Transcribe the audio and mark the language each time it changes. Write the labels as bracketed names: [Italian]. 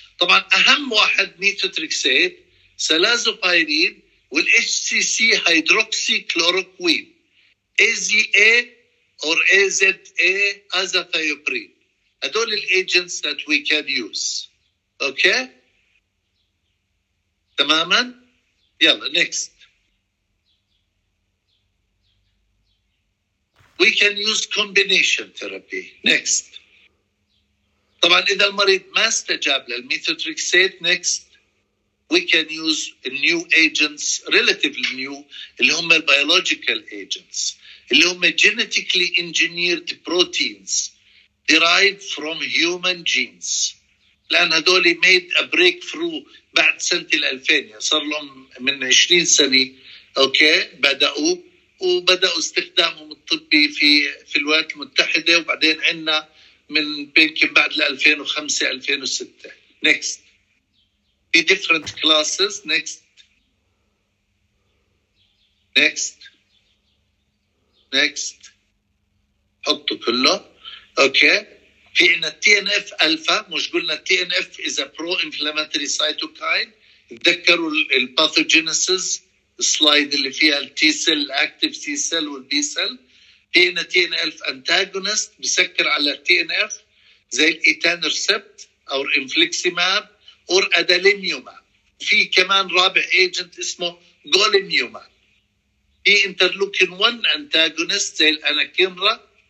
[Arabic] طبعاً أهم واحد ميثوتريكسيت, سلازوبايرين والHCC هيدروكسيكلوروكوين AZA or AZA azathioprine. هدول الأجنتس [English] that we can use. Okay. [Arabic] تماماً. يلا next. [English] We can use combination therapy. Next. [Arabic] طبعاً إذا المريض ما استجاب للميثوتريكسيت, [English] next, we can use new agents, relatively new, [Arabic] اللي هم [English] biological agents, اللي هم genetically engineered proteins derived from human genes. [Arabic] لأن هدولي [English] made a breakthrough [Arabic] بعد سنة 2000, صار لهم من 20 سنة, okay, بدأوا. وبدأوا استخدامهم الطبي في الولايات المتحدة, وبعدين عنا من يمكن بعد 2005-2006. Next. [English] The different classes. Next. Next. Next. [Arabic] حطوا كله. [English] Okay. [Arabic] في عنا TNF alpha. مش قلنا TNF [English] is a pro-inflammatory cytokine. [Arabic] تذكروا ال pathogenesis slide اللي فيها ال T cell, active T cell وال B cell. في عنا TNF antagonist بسكر على TNF زي الإيتانرسبت أو الإنفليكسيماب أو الأداليميوما. في كمان رابع agent اسمه غوليميوما. في interleukin 1 antagonist زي الأناكينرا.